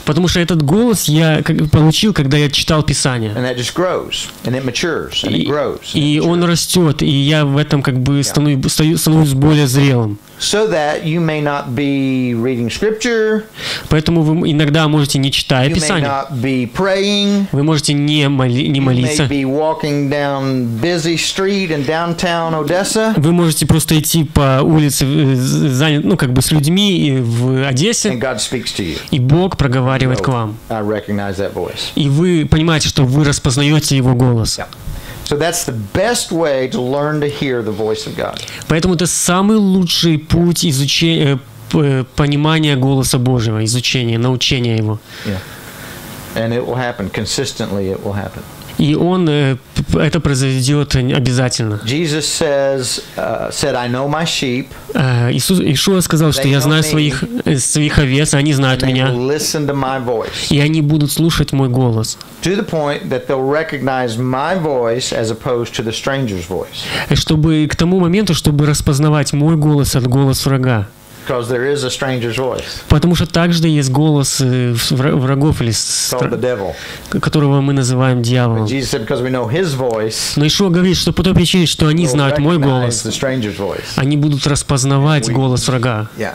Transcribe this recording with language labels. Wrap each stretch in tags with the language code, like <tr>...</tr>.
<ru>Потому что этот голос я получил, когда я читал Писание.</ru> <en>And that just grows and it matures.</en> <ru>И он растет, и я в этом как бы становлюсь более зрелым.</ru> <en>So that you may not be reading scripture.</en> <ru>Поэтому вы иногда можете не читать Писание.</ru> <en>You may not be praying.</en> <ru>Вы можете не молиться.</ru> <en>You may be walking down busy street in downtown Odessa.</en> <ru>Вы можете просто идти по улице, с людьми в Одессе.</ru> <en>And God speaks to you.</en> <ru>И Бог проговаривает к вам.</ru> <en>I recognize that voice.</en> <ru>И вы понимаете, что вы распознаете его голос.</ru> <en>So that's the best way to learn to hear the voice of God.</en> <ru>Поэтому это самый лучший путь изучения понимания голоса Божьего, изучения, научения его.</ru> <en>Yeah. And it will happen consistently, it will happen.</en> <ru>И он это произойдет обязательно.</ru> <en>Jesus says said I know my sheep.</en> <ru>Иисус сказал, что я знаю своих овец, они знают меня.</ru> <en>They will listen to my voice.</en> <ru>И они будут слушать мой голос.</ru> <en>To the point that they'll recognize my voice as opposed to the stranger's voice.</en> <ru>Чтобы к тому моменту, чтобы распознавать мой голос от голоса врага.</ru> <en>Because there is a stranger's voice.</en> <ru>Потому что также есть голос врагов или которого мы называем дьяволом.</ru> <en>Jesus said, because we know his voice.</en> <ru>Но Иисус говорит, что по той причине, что они знают мой голос, они будут распознавать голос врага.</ru>